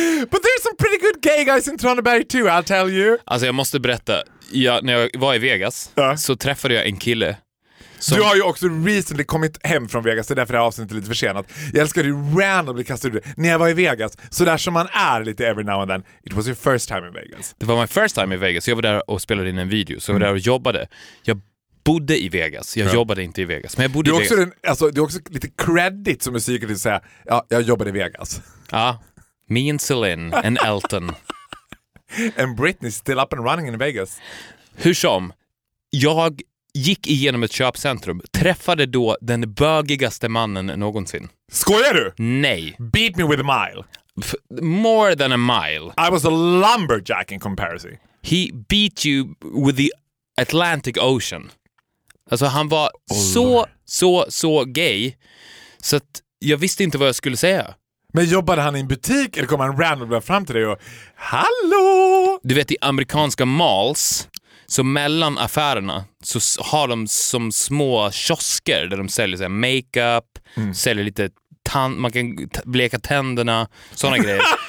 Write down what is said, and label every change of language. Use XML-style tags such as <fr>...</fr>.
<en>But there's some pretty good gay guys in Tranberg too, I'll tell you.</en> <sv>Alltså, jag måste berätta. Ja, när jag var i Vegas så träffade jag en kille. Du har ju också recently kommit hem från Vegas, det är därför det här avsnittet är lite försenat. Jag älskar ju randomly kastade ut. När jag var i Vegas, så där som man är lite</sv> <en>every now and then. It was your first time in Vegas.</en> <sv>Det var</sv> <en>my first time</en> <sv>i Vegas. Jag var där och spelade in en video, så jag var där och jobbade. Jag bodde i Vegas. Jag jobbade inte i Vegas, men jag bodde i Vegas. Det är också det är också lite credit som musiker att säga, ja, jag jobbade i Vegas.</sv> <en>Ja. Me and Celine and Elton. And Britney's still up and running in Vegas.</en> <sv>Hur som, jag gick igenom ett köpcentrum, träffade då den bögigaste mannen någonsin. Skojar du? Nej.</sv> <en>Beat me with a mile. More than a mile. I was a lumberjack in comparison. He beat you with the Atlantic Ocean.</en> <sv>Alltså, han var så gay, så att jag visste inte vad jag skulle säga. Men jobbade han i en butik eller kom han random fram till dig och hallå? Du vet, i amerikanska malls, så mellan affärerna så har de som små kiosker där de säljer så här makeup, säljer lite man kan bleka tänderna, såna grejer.</sv>